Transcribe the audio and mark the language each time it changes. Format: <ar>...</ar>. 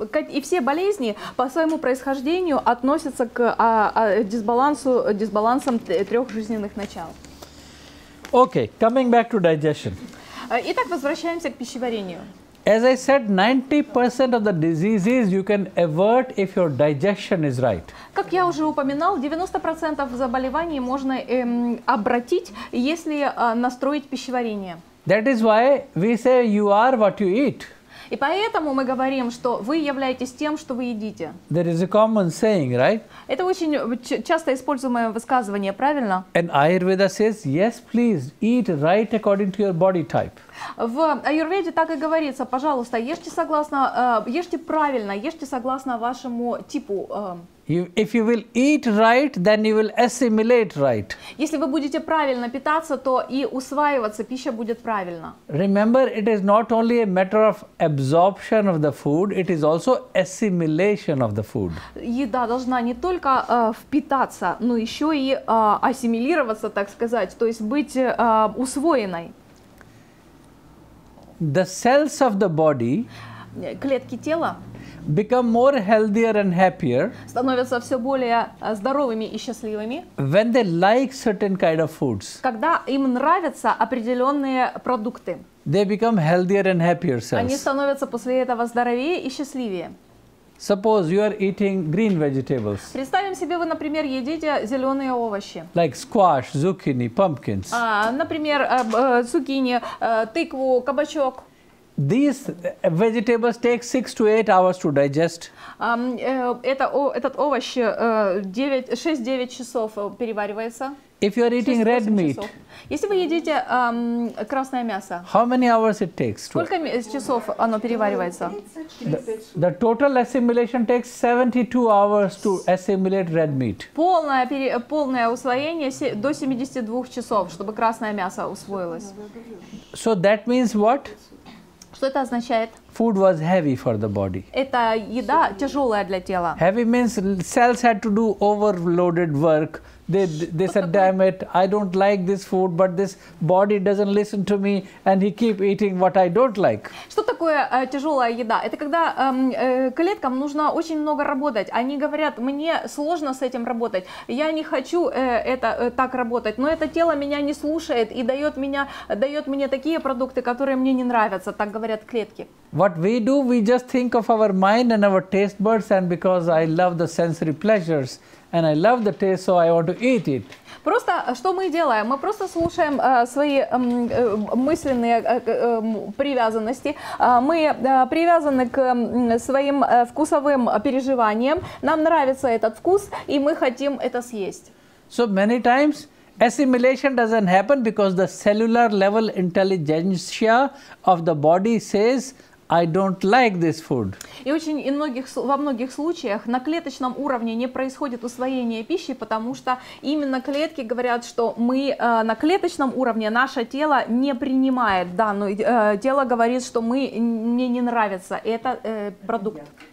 <ru>И все болезни по своему происхождению относятся к дисбалансам трех жизненных начал.</ru> <en>Okay, coming back to digestion.</en> <ru>Итак, возвращаемся к пищеварению.</ru> <en>As I said, 90% of the diseases you can avert if your digestion is right.</en> <ru>Как я уже упоминал, 90% заболеваний можно обратить, если настроить пищеварение.</ru> <en>That is why we say you are what you eat.</en> <ru>И поэтому мы говорим, что вы являетесь тем, что вы едите.</ru> <en>There is a common saying, right?</en> <ru>Это очень часто используемое высказывание, правильно?</ru> <en>And Ayurveda says, yes, please, eat right according to your body type.</en> <ru>В Аюрведе так и говорится, пожалуйста, ешьте согласно, ешьте правильно, ешьте согласно вашему типу.</ru> <en>If you will eat right, then you will assimilate right.</en> <ru>Если вы будете правильно питаться, то и усваиваться пища будет правильно.</ru> <en>Remember, it is not only a matter of absorption of the food, it is also assimilation of the food.</en> <ru>Еда должна не только впитаться, но еще и ассимилироваться, так сказать, то есть быть усвоенной.</ru> <en>The cells of the body,</en> <ru>клетки тела,</ru> <en>become more healthier and happier,</en> <ru>становятся все более здоровыми и счастливыми,</ru> <en>when they like certain kind of foods,</en> <ru>когда им нравятся определенные продукты,</ru> <en>they become healthier and happier cells.</en> <ru>Они становятся после этого здоровее и счастливее.</ru> <en>Suppose you are eating green vegetables.</en> <ru>Представим себе, вы, например, едите зеленые овощи.</ru> <en>Like squash, zucchini, pumpkins.</en> <ru>Например, цукини, тыкву, кабачок.</ru> <en>These vegetables take 6 to 8 hours to digest.</en> <ru>Этот овощ 6-9 часов переваривается.</ru> <en>If you are eating red meat.</en> <ru>Если вы едите красное мясо.</ru> <en>How many hours it takes?</en> <ru>Сколько часов оно переваривается?</ru> <en>The total assimilation takes 72 hours to assimilate red meat.</en> <ru>Полное усвоение до 72 часов, чтобы красное мясо усвоилось.</ru> <en>So that means what?</en> <ru>Что это означает?</ru> <en>Food was heavy for the body.</en> <ru>Это еда тяжелая для тела.</ru> <en>Heavy means cells had to do overloaded work. They said, damn it, I don't like this food, but this body doesn't listen to me, and he keep eating what I don't like.</en> <ru>Что такое тяжелая еда? Это когда клеткам нужно очень много работать. Они говорят, мне сложно с этим работать. Я не хочу так работать, но это тело меня не слушает и дает мне такие продукты, которые мне не нравятся. Так говорят клетки.</ru> <en>What we do, we just think of our mind and our taste buds, and because I love the sensory pleasures, and I love the taste, so I want to eat it.</en> <ru>Просто что мы делаем? Мы просто слушаем свои мысленные привязанности. Мы привязаны к своим вкусовым переживаниям. Нам нравится этот вкус, и мы хотим это съесть.</ru> <en>So many times, Assimilation doesn't happen because the cellular level intelligentsia of the body says, I don't like this food.</en> <ru>И очень и многих, во многих случаях на клеточном уровне не происходит усвоение пищи, потому что именно клетки говорят, что мы на клеточном уровне наше тело не принимает данную. Тело говорит, что мы мне не нравится этот продукт.</ru>